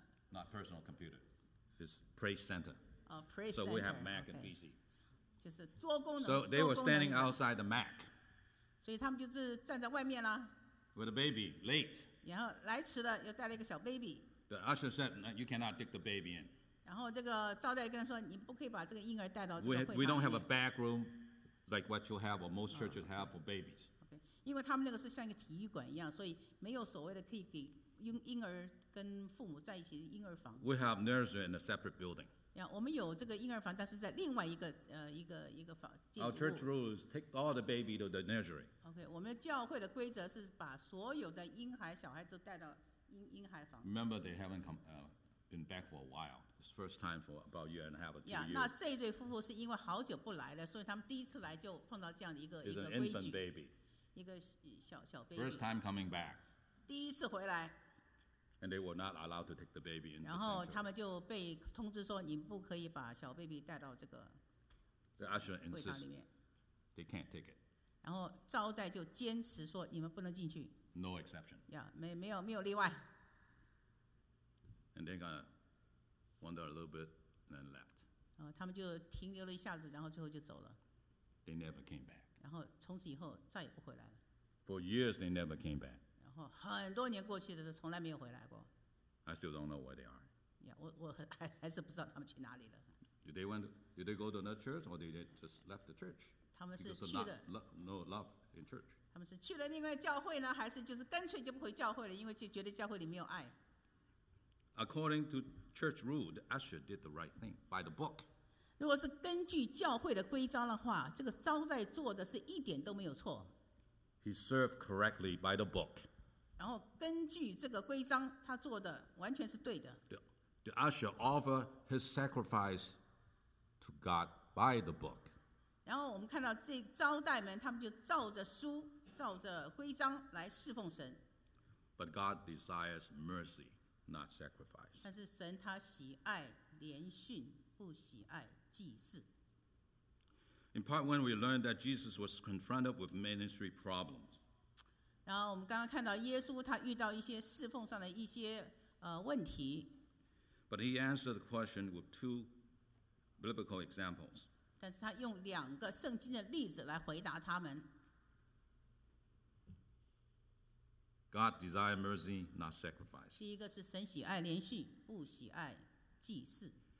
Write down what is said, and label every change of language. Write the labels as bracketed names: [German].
[English] Not personal computer. It's praise center. Praise center. So we have Mac and PC. [Chinese] 就是多功能。 [English] So they were standing outside the Mac. [Chinese] 所以他们就是站在外面啦。 [English] With a baby, late. [Chinese] 然后来迟了，又带了一个小 baby. [English] The usher said, "You cannot take the baby in." [Chinese] 然后这个招待跟他说，你不可以把这个婴儿带到这个会堂里面。 [English] We don't have a back room like what you have or most churches have for babies. [Chinese] 因为他们那个是像一个体育馆一样，所以没有所谓的可以给婴儿跟父母在一起的婴儿房。 [English] We have nursery in a separate building. [Chinese] 我们有这个婴儿房，但是在另外一个房。 [English] Our church rules take all the baby to the nursery. [Chinese] Okay, 我们教会的规则是把所有的婴孩小孩子带到婴孩房。 [English] Remember, they haven't been back for a while. It's first time for about a year and a half or two years. [Chinese] 那这对夫妇是因为好久不来了，所以他们第一次来就碰到这样的一个规矩。 [English] It's an infant baby. [Chinese] 一个小 baby, [English] First time coming back. [Chinese] 第一次回来。 [English] And they were not allowed to take the baby into the [Chinese] center. 然后他们就被通知说，你不可以把小 baby 带到这个会堂里面。 [English] The usher insists they can't take it. [Chinese] 然后招待就坚持说，你们不能进去。 [English] No exception. [Chinese] Yeah, 没有例外。 [English] And they kind of wandered a little bit and then left. [Chinese] 他们就停留了一下子，然后最后就走了。 [English] They never came back. [Chinese] 然后从此以后再也不回来了。 [English] For years, they never came back. [Chinese] 很多年过去的时候从来没有回来过。 [English] I still don't know where they are. [Chinese] Yeah, 我还是不知道他们去哪里了。 [English] Did they go to another church or did they just left the church? [Chinese] 他们是去了。 [English] No love in church. [Chinese] 他们是去了另外教会呢还是就是干脆就不回教会了因为就觉得教会里没有爱。 [English] According to church rule, the usher did the right thing by the book. [Chinese] 如果是根据教会的规章的话这个招待做的是一点都没有错。 [English] He served correctly by the book. [Chinese] 然后根据这个规章，他做的完全是对的。 [English] The usher offered his sacrifice to God by the book. [Chinese] 然后我们看到这招待们，他们就照着书、照着规章来侍奉神。 [English] But God desires mercy, not sacrifice. [Chinese] 但是神他喜爱连训，不喜爱祭祀。 [English] In part one, we learned that Jesus was confronted with ministry problems. [Chinese] 然后我们刚刚看到耶稣他遇到一些侍奉上的一些问题。 [English] But he answered the question with two biblical examples. [Chinese] 但是他用两个圣经的例子来回答他们。 [English] God desires mercy, not sacrifice. [Chinese] 第一个是神喜爱连续，不喜爱祭祀。